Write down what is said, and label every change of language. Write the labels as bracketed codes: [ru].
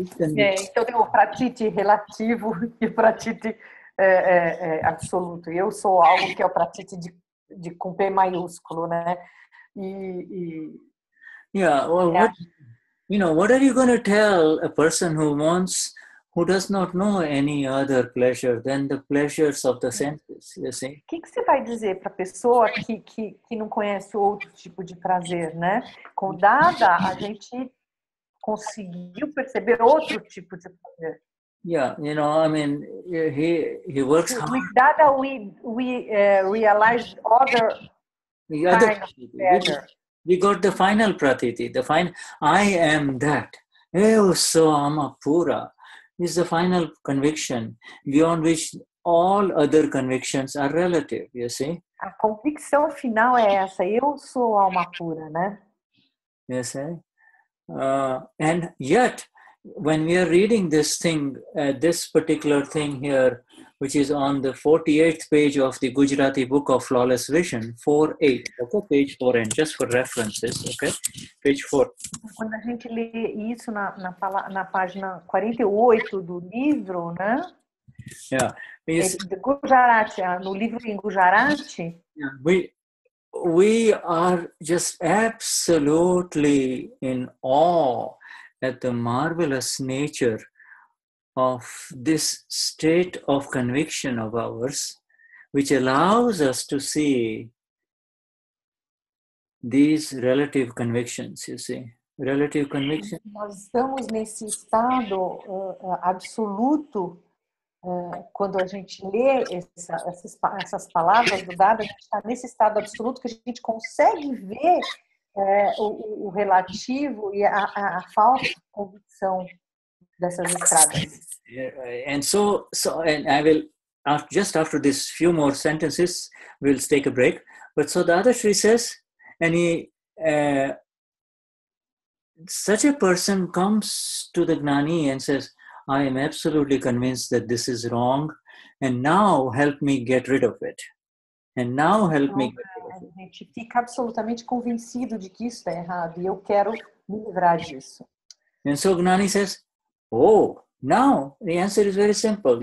[pt] então tem o pratiti relativo e o pratiti absoluto. Eu sou algo que é o pratiti de com P maiúsculo, né? [en] You know, what are you going to tell a person who does not know any other pleasure than the pleasures of the senses, you see? [pt] O que você vai dizer para a pessoa que não conhece outro tipo de prazer, né? Com Dada, a gente conseguiu perceber outro tipo de prazer. [en] Yeah, you know, I mean, he works hard. With Dada, we realize other kinds of pleasure. We got the final pratiti, the final, I am that. [pt] Eu sou [en] amapura is the final conviction beyond which all other convictions are relative, you see? [pt] A convicção final é essa, eu sou amapura, né? [en] You see? And yet, when we are reading this thing, this particular thing here, which is on the 48th page of the Gujarati Book of Flawless Vision, 4-8. Okay, page 4, and just for references, okay? Page 4. When [pt] a gente lê isso na página 48 do livro, né? [en] Yeah. [pt] De Gujarati, no livro em Gujarati. [en] Yeah, we are just absolutely in awe at the marvelous nature of this state of conviction of ours, which allows us to see these relative convictions, you see. Relative convictions. [pt] Nós estamos nesse estado absoluto quando a gente lê essas palavras do Dada, a gente está nesse estado absoluto que a gente consegue ver o relativo e a falsa convicção dessas estradas. [en] Yeah, and so, and I will, just after this few more sentences, we'll take a break. But so the other three says, and such a person comes to the Gnani and says, I am absolutely convinced that this is wrong, and now help me get rid of it. And now help me get rid of it. [pt] A gente fica absolutamente convencido de que isso é errado, e eu quero me livrar disso. [en] And so Gnani says, oh, now, the answer is very simple.